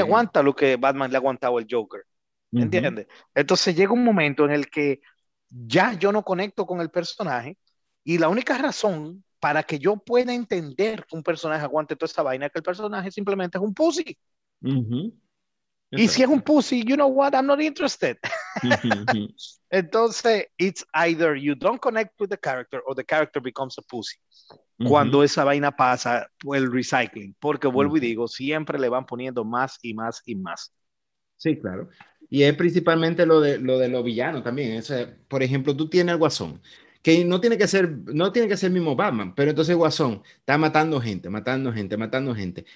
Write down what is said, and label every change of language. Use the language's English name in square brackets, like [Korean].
[Spanish] aguanta lo que Batman le ha aguantado al Joker. ¿Entiendes? Entonces llega un momento en el que ya yo no conecto con el personaje y la única razón para que yo pueda entender que un personaje aguante toda esa vaina es que el personaje simplemente es un pussy. Y si es un pussy, [English] you know what, I'm not interested. Entonces, it's either you don't connect with the character or the character becomes a pussy. [Spanish] Cuando esa vaina pasa, el recycling. Porque vuelvo y digo, siempre le van poniendo más y más y más. Sí, claro. Y es principalmente lo de los villanos también. O sea, por ejemplo, tú tienes el Guasón, que no tiene que ser el mismo Batman, pero entonces Guasón está matando gente, matando gente, matando gente.